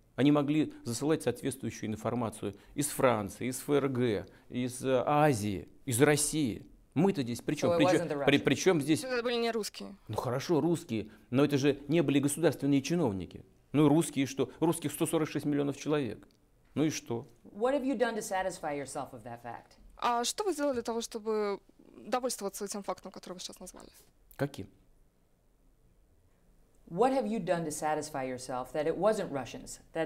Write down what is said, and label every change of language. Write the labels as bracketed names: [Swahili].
[Russian] Они могли засылать соответствующую информацию из Франции, из ФРГ, из Азии, из России. Мы-то здесь при чем? Причем здесь... Это были не русские. Ну хорошо, русские, но это же не были государственные чиновники. Ну и русские что? Русских 146 миллионов человек. Ну и что? [English] What have you done to satisfy yourself of that fact? [Russian] А что вы сделали для того, чтобы довольствоваться этим фактом, который вы сейчас назвали? Каким? [English] What have you done to satisfy yourself that it wasn't Russians?